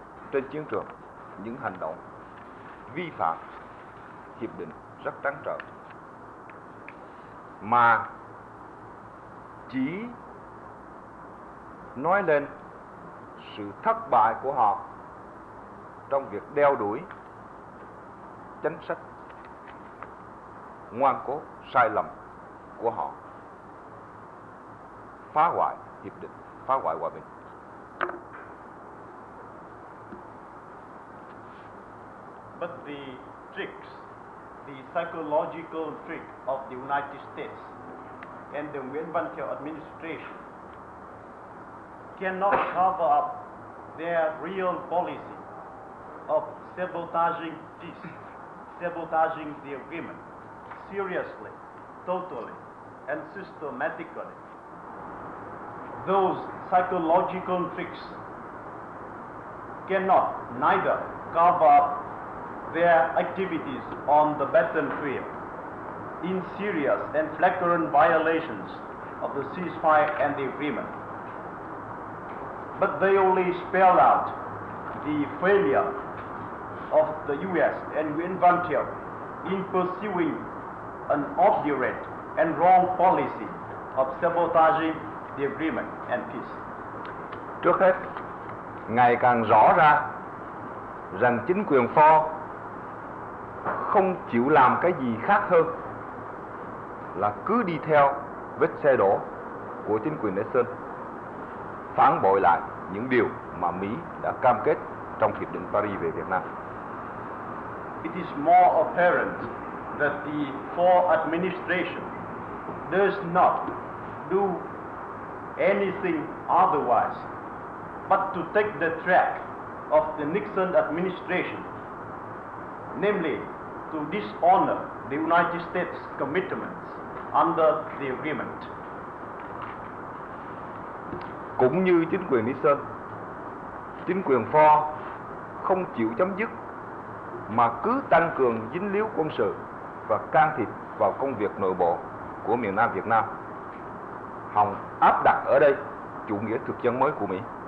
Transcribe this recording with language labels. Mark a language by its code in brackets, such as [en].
[vi] trên chiến trường, những hành động vi phạm hiệp định rất trắng trợn, mà chỉ nói lên sự thất bại của họ trong việc đeo đuổi chính sách ngoan cố sai lầm của họ, phá hoại hiệp định, phá hoại hòa bình. [en] But the tricks, the psychological trick of the United States and the Nguyen Văn Thiệu administration cannot cover up their real policy of sabotaging peace, sabotaging the agreement seriously, totally, and systematically. Those psychological tricks cannot neither cover up their activities on the battlefield in serious and flagrant violations of the ceasefire and the agreement. But they only spell out the failure of the U.S. and Nguyen Văn Thiệu in pursuing an obdurate and wrong policy of sabotaging the agreement and peace. [vi] Trước hết, ngày càng rõ ra rằng chính quyền Ford không chịu làm cái gì khác hơn là cứ đi theo vết xe đổ của chính quyền Nixon, phản bội lại những điều mà Mỹ đã cam kết trong hiệp định Paris về Việt Nam. [en] It is more apparent that the Ford administration does not do anything otherwise but to take the track of the Nixon administration, namely to dishonor the United States commitments under the agreement. [vi] Cũng như chính quyền Nixon, chính quyền Ford không chịu chấm dứt mà cứ tăng cường dính líu quân sự và can thiệp vào công việc nội bộ của miền Nam Việt Nam, hòng áp đặt ở đây chủ nghĩa thực dân mới của Mỹ.